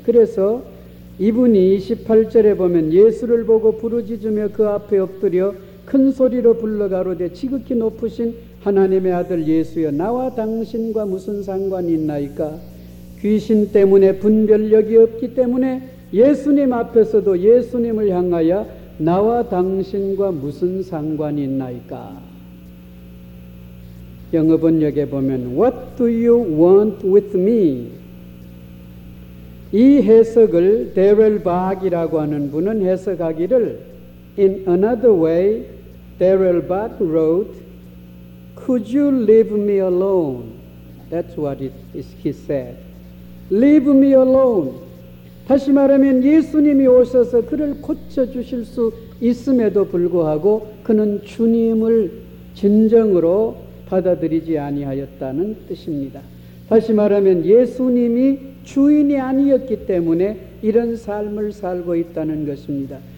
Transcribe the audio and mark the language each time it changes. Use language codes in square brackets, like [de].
[ko] 그래서 이분이 28절에 보면 예수를 보고 부르짖으며 그 앞에 엎드려 큰 소리로 불러 가로되 지극히 높으신 하나님의 아들 예수여 나와 당신과 무슨 상관이 있나이까. 귀신 때문에 분별력이 없기 때문에 예수님 앞에서도 예수님을 향하여 나와 당신과 무슨 상관이 있나이까. 영어 번역에 보면 [en] What do you want with me? [ko] 이 해석을 데렐 박이라고 하는 분은 해석하기를 [en] In another way, Daryl Bach wrote, Could you leave me alone? That's what he said. Leave me alone. [ko] 다시 말하면 예수님이 오셔서 그를 고쳐주실 수 있음에도 불구하고 그는 주님을 진정으로 받아들이지 아니하였다는 뜻입니다. 다시 말하면 예수님이 주인이 아니었기 때문에 이런 삶을 살고 있다는 것입니다.